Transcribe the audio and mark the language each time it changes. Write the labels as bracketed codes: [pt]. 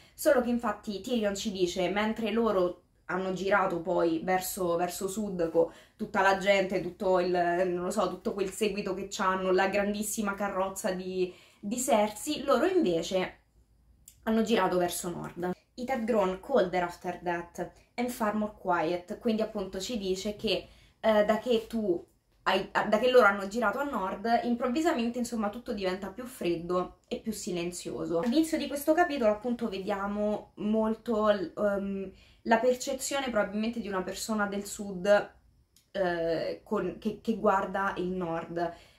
[it] Solo che infatti Tyrion ci dice, mentre loro hanno girato poi verso sud con tutta la gente, tutto il, non lo so, tutto quel seguito che c'hanno, la grandissima carrozza di Cersei, loro invece hanno girato verso nord. [en] It had grown colder after that and far more quiet. [it] Quindi appunto ci dice che da che tu da che loro hanno girato a nord, improvvisamente insomma tutto diventa più freddo e più silenzioso. All'inizio di questo capitolo appunto vediamo molto la percezione probabilmente di una persona del sud che guarda il nord.